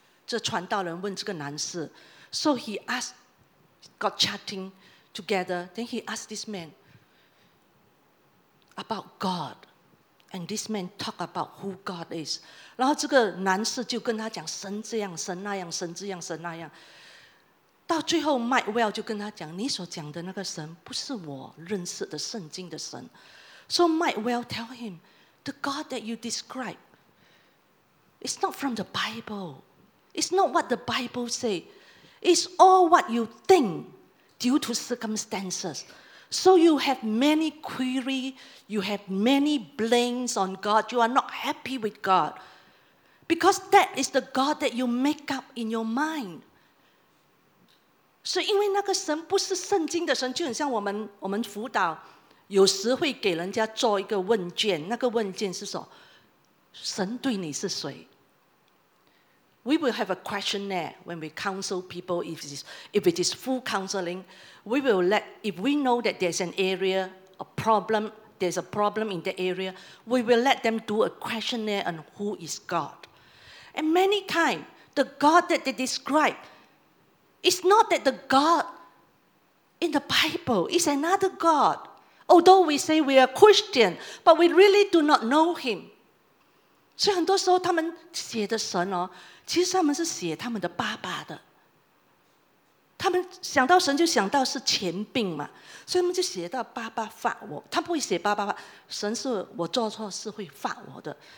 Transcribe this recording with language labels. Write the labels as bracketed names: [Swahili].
[Chinese] 这传道人问这个男士， [English] So he asked, got chatting together, then he asked this man,about God, and this man talk about who God is. [Chinese] 然后这个男士就跟他讲神这样神那样神这样神那样，到最后 Mike Well 就跟他讲，你所讲的那个神不是我认识的圣经的神。 [English] So Mike Well tell him, the God that you describe is not from the Bible. It's not what the Bible say. It's all what you think due to circumstances. So you have many query, you have many blames on God, you are not happy with God. Because that is the God that you make up in your mind. [Chinese] So 因为那个神不是圣经的神，就很像我们辅导有时会给人家做一个问卷，那个问卷是说神对你是谁。 [English] We will have a questionnaire when we counsel people. If it is full counseling, we will let, if we know that there's an area, a problem, there's a problem in the area, we will let them do a questionnaire on who is God. And many times, the God that they describe is not that the God in the Bible, it's another God. Although we say we are Christian, but we really do not know him. [Chinese] So, 很多时候他们写的神哦，其实他们是写他们的爸爸的，他们想到神就想到是前病嘛，所以他们就写到爸爸发我，他不会写爸爸发，神是我做错事会发我的。